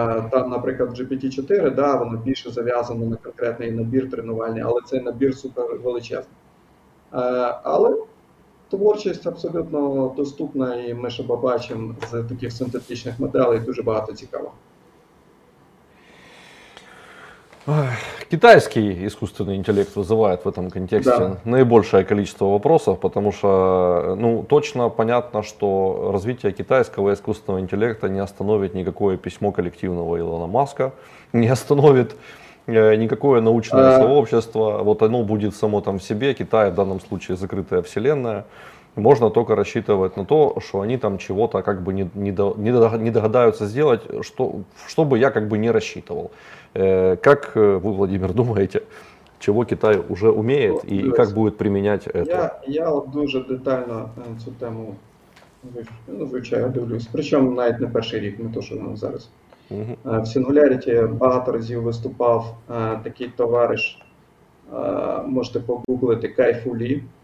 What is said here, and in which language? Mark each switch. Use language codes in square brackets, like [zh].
[uk] Там, наприклад, GPT-4, да, воно більше зав'язано на конкретний набір тренувальний, але цей набір супервеличезний. Але творчість абсолютно доступна, і ми ще побачимо з таких синтетичних моделей дуже багато цікавого. [ru] Китайский искусственный интеллект вызывает в этом контексте да. наибольшее количество вопросов, потому что, ну, точно понятно, что развитие китайского искусственного интеллекта не остановит никакое письмо коллективного Илона Маска, не остановит никакое научное сообщество, вот оно будет само там в себе, Китай в данном случае закрытая вселенная. Можно только рассчитывать на то, что они там чего-то как бы не догадаются сделать, что бы я как бы не рассчитывал. Как вы, Владимир, думаете, чего Китай уже умеет и как будет применять это? [uk] Я дуже детально цю тему вивчаю, дивлюсь. Причем навіть не перший рік, не то, що нам зараз. В Singularity багато разів виступав такий товариш, можете погуглити, Кай-Фу Лі.